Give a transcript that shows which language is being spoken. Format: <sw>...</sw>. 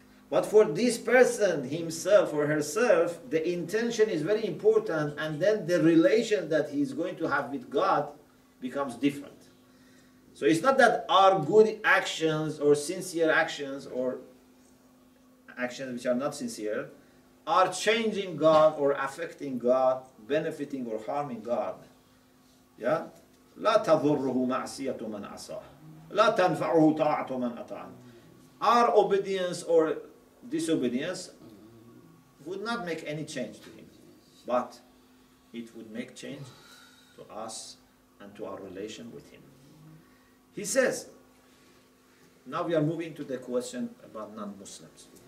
<en>But for this person himself or herself, the intention is very important, and then the relation that he is going to have with God becomes different. So it's not that our good actions or sincere actions or actions which are not sincere are changing God or affecting God, benefiting or harming God. Yeah?</en> <ar>لا تضره معصية من عصاه لا تنفعه طاعة من أطاعه.</ar> <en>Our obedience or disobedience would not make any change to him, but it would make change to us and to our relation with him. He says, now we are moving to the question about non-Muslims.</en>